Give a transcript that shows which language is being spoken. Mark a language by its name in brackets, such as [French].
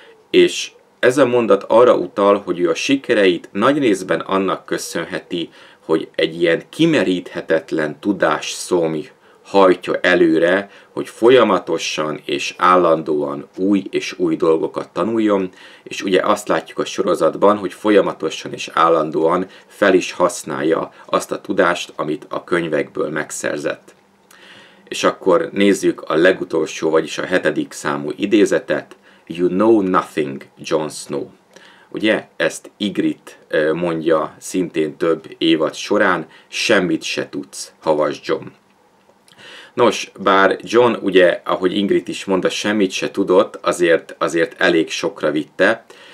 [Hungarian] És ez a mondat arra utal, hogy ő a sikereit nagy részben annak köszönheti, hogy egy ilyen kimeríthetetlen tudás szomj hajtja előre, hogy folyamatosan és állandóan új és új dolgokat tanuljon, és ugye azt látjuk a sorozatban, hogy folyamatosan és állandóan fel is használja azt a tudást, amit a könyvekből megszerzett. És akkor nézzük a legutolsó, vagyis a 7. számú idézetet. [English] You know nothing, Jon Snow. [Hungarian] Ugye ezt Ygritte mondja szintén több évad során, semmit se tudsz, havas Jon. Nos, bár Jon ugye, ahogy Ygritte is mondta, semmit se tudott, azért elég sokra vitte.